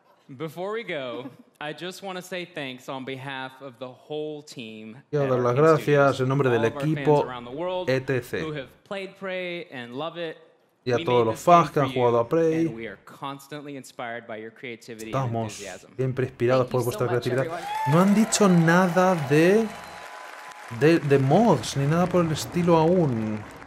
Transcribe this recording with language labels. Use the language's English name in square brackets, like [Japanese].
[English] Before we go, I just want to say thanks on behalf of the whole team. [Spanish] Quiero dar las gracias en nombre del equipo, etc. [English] Who have played Prey and love it. [Spanish] Y a todos los fans que han jugado a Prey. [English] And we are constantly inspired by your creativity. [Spanish] Estamos siempre inspirados por vuestra creatividad. No han dicho nada de mods ni nada por el estilo aún.